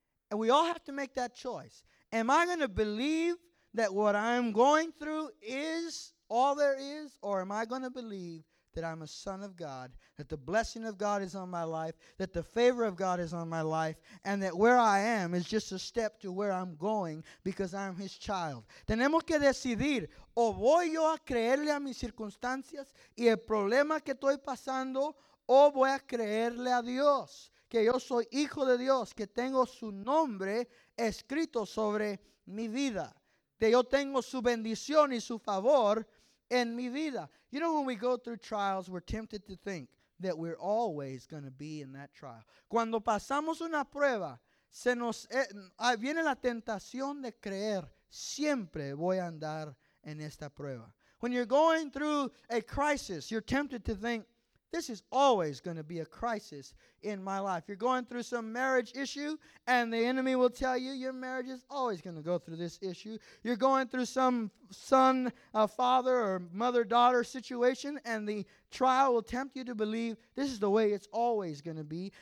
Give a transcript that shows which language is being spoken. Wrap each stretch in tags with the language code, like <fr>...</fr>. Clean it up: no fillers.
<en>And we all have to make that choice. Am I going to believe that what I'm going through is all there is, or am I going to believe that I'm a son of God, that the blessing of God is on my life, that the favor of God is on my life, and that where I am is just a step to where I'm going because I'm his child.</en> <es>Tenemos que decidir, o voy yo a creerle a mis circunstancias y el problema que estoy pasando, o voy a creerle a Dios, que yo soy hijo de Dios, que tengo su nombre escrito sobre mi vida, que yo tengo su bendición y su favor en mi vida.</es> <en>You know, when we go through trials, we're tempted to think that we're always going to be in that trial.</en> <es>Cuando pasamos una prueba, se nos viene la tentación de creer, siempre voy a andar en esta prueba.</es> <en>When you're going through a crisis, you're tempted to think, this is always going to be a crisis in my life. You're going through some marriage issue, and the enemy will tell you your marriage is always going to go through this issue. You're going through some son, father, or mother-daughter situation, and the trial will tempt you to believe this is the way it's always going to be.</en>